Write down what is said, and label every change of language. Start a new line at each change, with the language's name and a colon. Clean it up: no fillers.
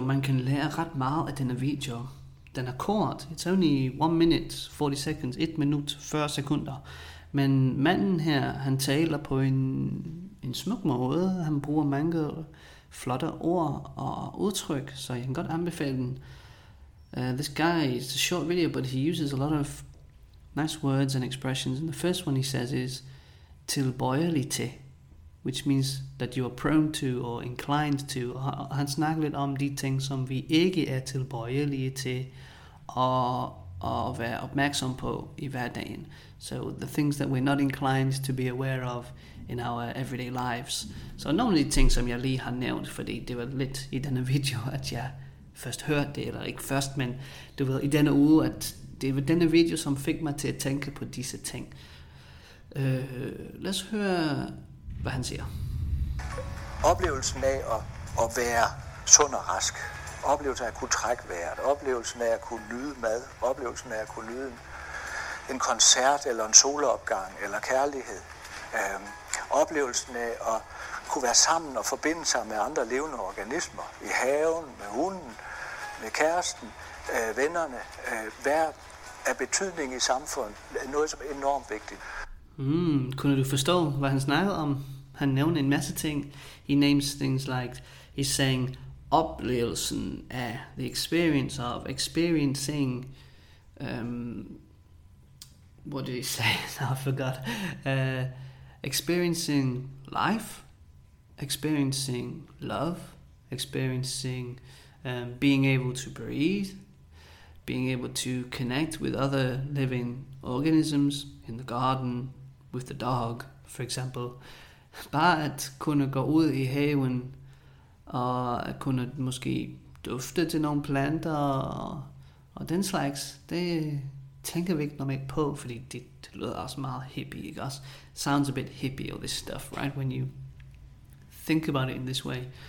Danish: Man kan lære ret meget af denne video. Den er kort.
English: It's only 1 minute, 40 seconds.
Danish: 1 minut, 40 sekunder. Men manden her, han taler på en smuk måde. Han bruger mange flotte ord og udtryk, så jeg kan godt anbefale den.
English: This guy is a short video, but he uses a lot of nice words and expressions. And the first one he says is tilbøjelig til, which means that you are prone to or inclined to.
Danish: Og han snakker lidt om de ting, som vi ikke er tilbøjelige til og være opmærksom på i hverdagen.
English: So the things that we're not inclined to be aware of in our everyday lives.
Danish: Så nogle af de ting, som jeg lige har nævnt, fordi det var lidt i denne video, at jeg først hørte det, eller ikke først, men du ved, i denne uge, at det var denne video, som fik mig til at tænke på disse ting. Lad os høre, hvad han siger. Oplevelsen af at være sund og rask, oplevelsen af at kunne trække vejret, oplevelsen af at kunne nyde mad, oplevelsen af at kunne nyde en koncert, eller en solopgang, eller kærlighed. Oplevelsen af at kunne være sammen og forbinde sig med andre levende organismer i haven, med hunden, med kæresten, vennerne, være af betydning i samfundet, noget som er enormt vigtigt. Kunne du forstå, hvad han snakkede om? Han nævner en masse ting.
English: He names things like, he's saying, oplevelsen af, the experience of, experiencing, what did he say? I forgot. Experiencing life, experiencing love, experiencing being able to breathe, being able to connect with other living organisms in the garden, with the dog, for example.
Danish: Bare at kunne gå ud i haven og kunne måske dufte til nogle planter og den slags, det tænker vi ikke normalt på, fordi det lyder også meget hippie, ikke også?
English: Sounds a bit hippie, all this stuff, right? When you think about it in this way.